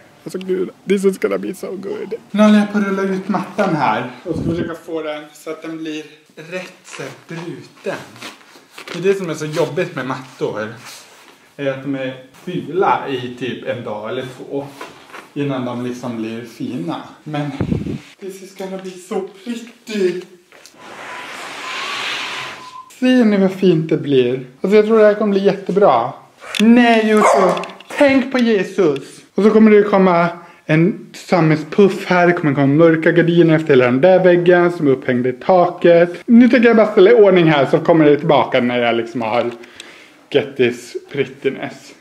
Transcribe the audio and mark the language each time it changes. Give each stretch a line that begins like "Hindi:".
Swedish: Alltså gud,
English: this is gonna be so good.
Swedish: Nu håller jag på att rulla ut mattan här. Och så försöka få den så att den blir rätt så bruten. Det är det som är så jobbigt med mattor. Är att de är fula i typ en dag eller två. Innan de liksom blir fina. Men
English: this is gonna be so pretty.
Swedish: Ser ni vad fint det blir? Alltså jag tror det här kommer bli jättebra. Nej Josef, tänk på Jesus. Och så kommer det komma en sammetspuff här. Det kommer komma mörka gardiner efter hela den där väggen som är upphängd i taket. Nu tänker jag bara ställa i ordning här så kommer det tillbaka när jag liksom har
English: get this prettiness.